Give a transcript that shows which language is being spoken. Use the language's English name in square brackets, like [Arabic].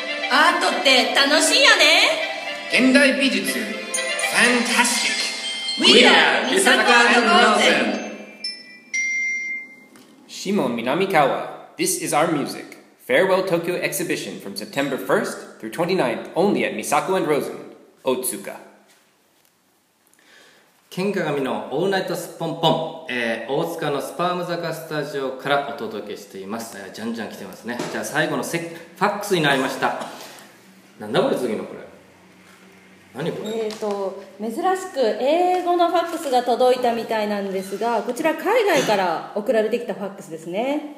[Japanese] アートって楽しいよね。現代美術ファンタスティック [English] We are 美里アンドローゼン。シモミナミカワ、 This is our music。 Farewell Tokyo Exhibition from September 1st through 29th only at Misako and Rosen, Otsuka. [Japanese] Ken Kagami のオールナイトスポンポン、大塚のスパーム坂スタジオからお届けしています。じゃんじゃん来てますね。じゃあ最後のセファックスになりました。なんだこれ次のこれ。何これ。珍しく英語のファックスが届いたみたいなんですが、こちら海外から送られてきたファックスですね。